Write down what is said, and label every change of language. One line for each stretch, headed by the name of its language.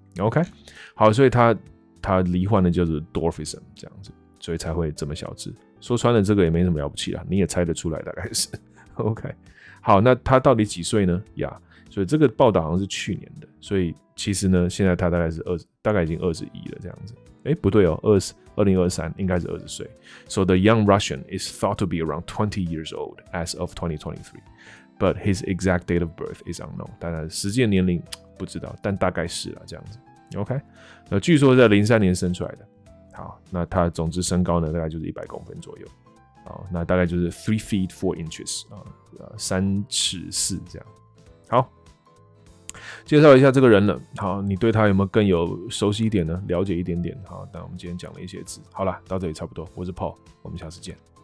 Chinese: OK， 好，所以他罹患的就是 dwarfism 这样子，所以才会这么小只。说穿了，这个也没什么了不起啦，你也猜得出来，大概是 OK。好，那他到底几岁呢？呀、yeah.。所以这个报道好像是去年的，所以其实呢，现在他大概是大概已经21了这样子。哎、欸，不对哦，2023应该是20岁。
English: So the young Russian is thought to be around 20 years old as of 2023, but his exact date of birth is unknown.
Chinese: 当然，实际年龄不知道，但大概是了这样子。OK， 那据说在03年生出来的。好，那他总之身高呢，大概就是100公分左右。好，那大概就是
English: 3 feet 4 inches
Chinese: 啊，3尺4这样。好，介绍一下这个人了。好，你对他有没有更有熟悉一点呢？了解一点点。好，那我们今天讲了一些字。好了，到这里差不多。我是 Paul， 我们下次见。